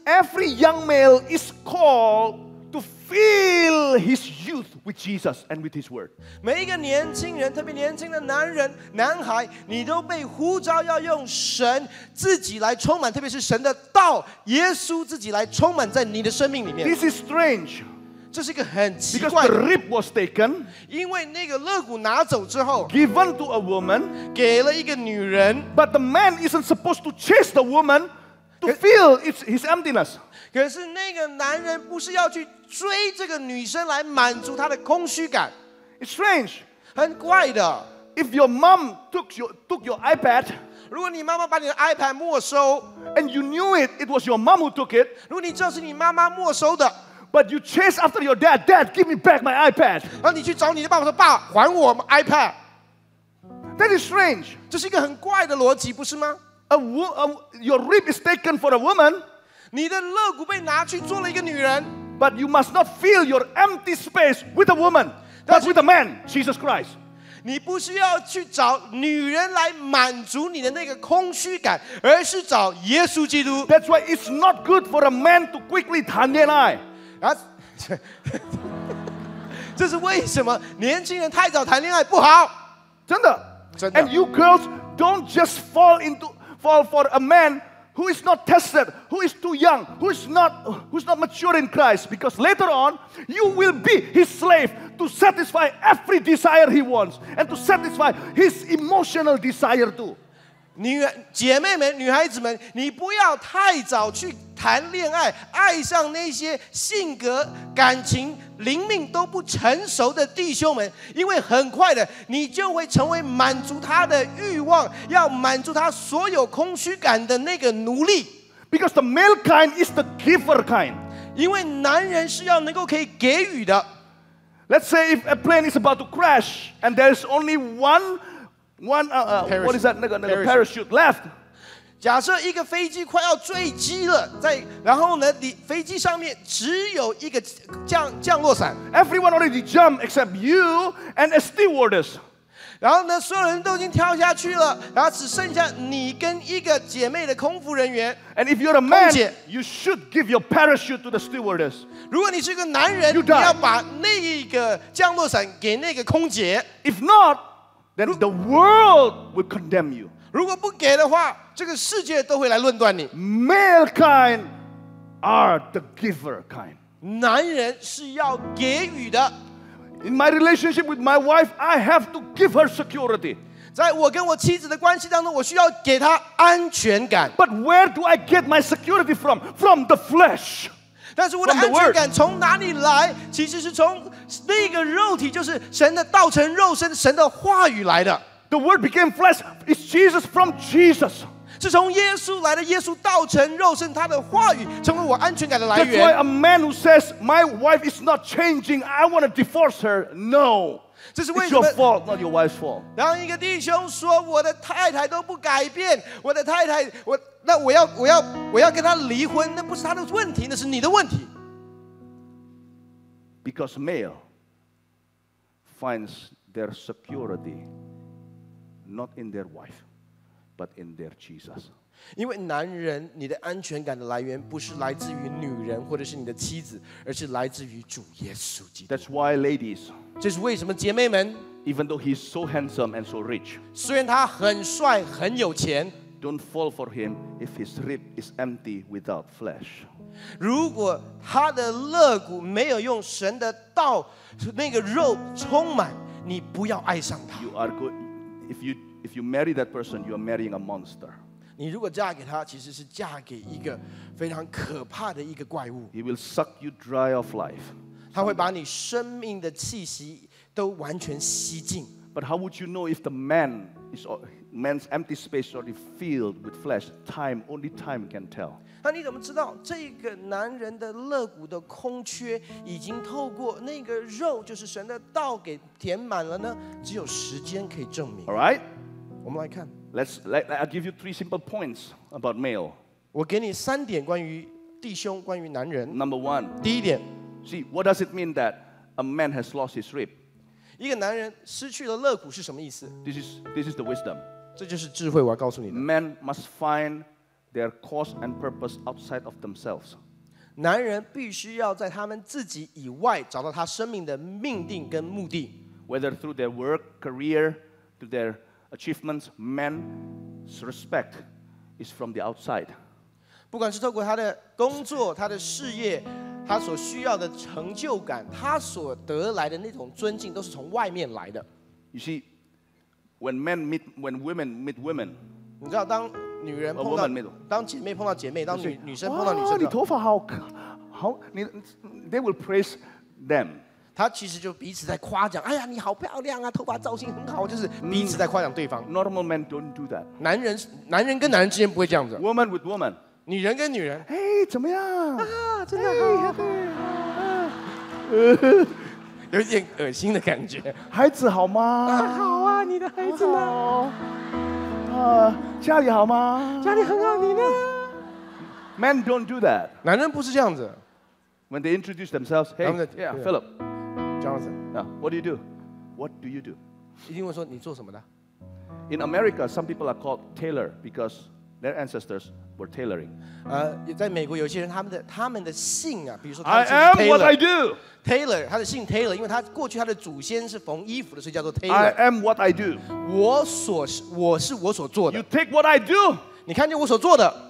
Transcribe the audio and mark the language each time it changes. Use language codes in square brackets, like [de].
[en] Every young male is called to fill his youth with Jesus and with His Word. [zh] 每一个年轻人，特别年轻的男人、男孩，你都被呼召要用神自己来充满，特别是神的道，耶稣自己来充满在你的生命里面。 [en] This is strange. [zh] 这是一个很奇怪的。 [en] Because the rib was taken, [zh] 因为那个肋骨拿走之后 [en] ，given to a woman, [zh] 给了一个女人。 [en] But the man isn't supposed to chase the woman to fill his emptiness. [zh] 可是那个男人不是要去追这个女生来满足她的空虚感 [en] ？It's strange, [zh] 很怪的。 [en] If your mom took your iPad. [zh] 如果你妈妈把你的 iPad 没收 [en] ，and you knew it was your mom who took it. [zh] 如果你知道是你妈妈没收的。 [en] But you chase after your dad. Dad, give me back my iPad. [zh] 然后你去找你的爸爸说，爸，还我 iPad. [en] That is strange. [zh] 这是一个很怪的逻辑，不是吗？ [en] Your rib is taken for a woman. [zh] 你的肋骨被拿去做了一个女人。 [en] But you must not fill your empty space with a woman, but with a man, Jesus Christ. [zh] 你不需要去找女人来满足你的那个空虚感，而是找耶稣基督。 [en] That's why it's not good for a man to quickly [zh] 谈恋爱。这是为什么年轻人太早谈恋爱不好？真的，真的。 [en] And you girls don't just fall for a man who is not tested, who is too young, who is not mature in Christ, because later on you will be his slave to satisfy every desire he wants and to satisfy his emotional desire too. [zh] 姐妹们，女孩子们，你不要太早去谈恋爱，爱上那些性格、感情、灵命都不成熟的弟兄们，因为很快的，你就会成为满足他的欲望，要满足他所有空虚感的那个奴隶。 [en] Because the male kind is the giver kind. [zh] 因为男人是要能够可以给予的。 [en] Let's say if a plane is about to crash and there's only one, what is that? 那个 parachute left. [zh] 假设一个飞机快要坠机了，在然后呢，你飞机上面只有一个降落伞。 [en] Everyone already jumped except you and a stewardess. [zh] 然后呢，所有人都已经跳下去了，然后只剩下你跟一个姐妹的空服人员。 [en] And if you're a man, you should give your parachute to the stewardess. [zh] 如果你是个男人，你要把那一个降落伞给那个空姐。 [en] If not,Then the world will condemn you. [zh] 如果不给的话，这个世界都会来论断你。 [en] Male kind are the giver kind. [zh] 男人是要给予的。 [en] In my relationship with my wife, I have to give her security. [zh] 在我跟我妻子的关系当中，我需要给她安全感。 [en] But where do I get my security from? From the flesh. [zh] 但是我的安全感从哪里来？其实是从那个肉体，就是神的道成肉身，神的话语来的。 [en] The word became flesh is Jesus from Jesus. [zh] 是从耶稣来的，耶稣道成肉身，他的话语成为我安全感的来源。 [en] That's why a man who says my wife is not changing, I want to divorce her. No. [zh] 这是为什 [en] 么 It's your fault, not your wife's fault. [zh] 当一个弟兄说我的太太都不改变，我的太太，我那我要跟她离婚，那不是她的问题，那是你的问题。 [en] Because male finds their security not in their wife, but in their Jesus. [zh] 因为男人，你的安全感的来源不是来自于女人或者是你的妻子，而是来自于主耶稣基督。 [en] That's why, ladies. [zh] 这是为什么，姐妹们 [en] ？Even though he's so handsome and so rich, [zh] 虽然他很帅很有钱 [en] don't fall for him if his rib is empty without flesh. [zh] 如果他的肋骨没有用神的道那个肉充满，你不要爱上他。 [en] You are good. If you marry that person, you are marrying a monster. [zh] 你如果嫁给他，其实是嫁给一个非常可怕的一个怪物。 [en] He will suck you dry of life. [zh] 他会把你生命的气息都完全吸尽。 [en] But how would you know if the man is man's empty space already filled with flesh? Time, only time can tell. [zh] 那你怎么知道这个男人的肋骨的空缺已经透过那个肉，就是神的道给填满了呢？只有时间可以证明。 [en] All right, [zh] 我们来看。 [en] I'll give you three simple points about male. [zh] 我给你三点关于弟兄，关于男人。 [en] Number one, [zh] 第一点。 [en] See, what does it mean that a man has lost his rib? [zh] 一个男人失去了肋骨是什么意思？ [en] This is the wisdom. [zh] 这就是智慧，我要告诉你的。 [en] Men must find their cause and purpose outside of themselves. [zh] 男人必须要在他们自己以外找到他生命的命定跟目的。 [en] Whether through their work, career, through their achievements, men's respect is from the outside. [zh] 不管是透过他的工作、他的事业。他所需要的成就感，他所得来的那种尊敬，都是从外面来的。 [en] You see, when women meet women, [zh] 你知道当女人碰到 当姐妹碰到姐妹，当 女生碰到女生，你头发好你 [en] ，they will praise them。 [zh] 他其实就彼此在夸奖，哎呀，你好漂亮啊，头发造型很好，就是彼此在夸奖对方。 [en] Normal men don't do that。 [zh] 男人跟男人之间不会这样子。 [en] Woman with woman。 [zh] 女人跟女人，哎、 [en] hey, [zh] ，怎么样？啊，真的好， [en] hey, [zh] 有点恶心的感觉。孩子好吗？好啊，你的孩子呢？家里好吗？家里很好，你呢 [en] ？Men don't do that。 [zh] 男人不是这样子。 [en] When they introduce themselves, hey, yeah, Philip, Jonathan, now, what do you do? What do you do? [zh] 一定会说你做什么的 [en] ？In America, some people are called tailor because their ancestors. We're tailoring. [zh] 在美国有些人他们的姓啊，比如说 [en] I am what I do. [zh] Taylor, 他的姓 Taylor, 因为他过去他的祖先是缝衣服的，所以叫做 Taylor. [en] I am what I do. [zh] 我是我所做的。 [en] You take what I do. [zh] 你看见我所做的。